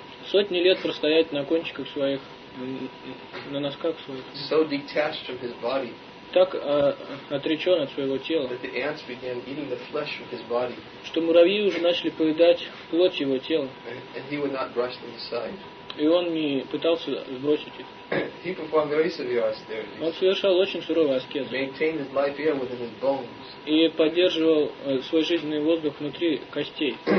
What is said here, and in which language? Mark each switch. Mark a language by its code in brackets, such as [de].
[ru] Сотни лет простоять на кончиках своих, на носках своих. [en] So detached from his body, [ru] так отречен от своего тела, [en] that the ants began eating the flesh of his body, [ru] что муравьи уже начали поедать плоть его тела. [en] And he would not brush them aside. [ru] И он не пытался сбросить их. [en] He performed very severe austerities. [ru] Он совершал очень суровые аскезы. [en] Maintained his life air within his bones. [ru] И поддерживал свой жизненный воздух внутри костей.